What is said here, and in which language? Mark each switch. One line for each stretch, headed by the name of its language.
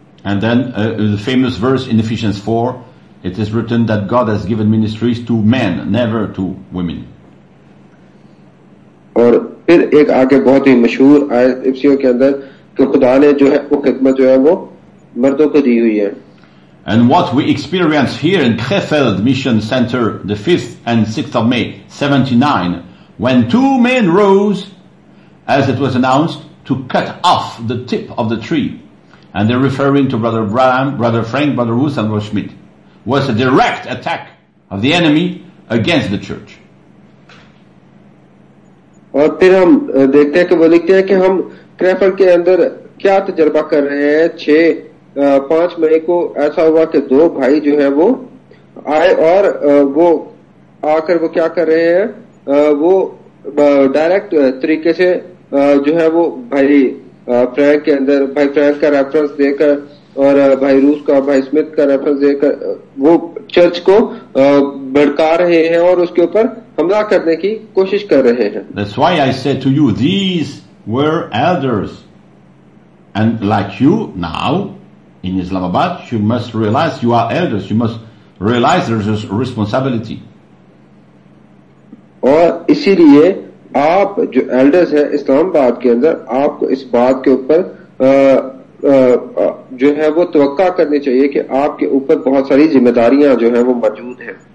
English: And then the famous verse in Ephesians 4. It is written that God has given ministries to men, never to women.
Hindi: और फिर एक आगे बहुत ही मशहूर आयत इफिसियों के अंदर कि खुदा ने जो है वो खिदमत जो है वो मर्दों को दी हुई है.
English: And what we experience here in Krefeld Mission Center, the 5th and 6th of May 79, when two men rose, as it was announced, to cut off the tip of the tree, and they're referring to Brother Bram, Brother Frank, Brother Ruth, and Brother Schmidt, was a direct attack of the enemy against the church.
Hindi: और फिर हम देखते हैं कि वो लिखते हैं कि हम क्रैफर्ड के अंदर क्या तजर्बा कर रहे हैं. 5 मई को ऐसा हुआ कि दो भाई जो है वो आए और वो आकर वो क्या कर रहे हैं, वो डायरेक्ट तरीके से जो है वो भाई फ्रैंक के अंदर, भाई फ्रैंक का रेफरेंस देकर और भाई रूस का, भाई स्मिथ का रेफरेंस देकर वो चर्च को भड़का रहे हैं और उसके ऊपर हमला करने की कोशिश कर रहे हैं.
English: That's why I said to you, these were elders. And like you, now, in Islamabad, you must realize you are elders. You must realize there's a responsibility.
Hindi: और इसीलिए आप जो elders हैं इस्लामाबाद के अंदर, आपको इस बात के ऊपर जो है वो तवक्का करनी चाहिए कि आपके ऊपर बहुत सारी जिम्मेदारियां जो है वो मौजूद हैं.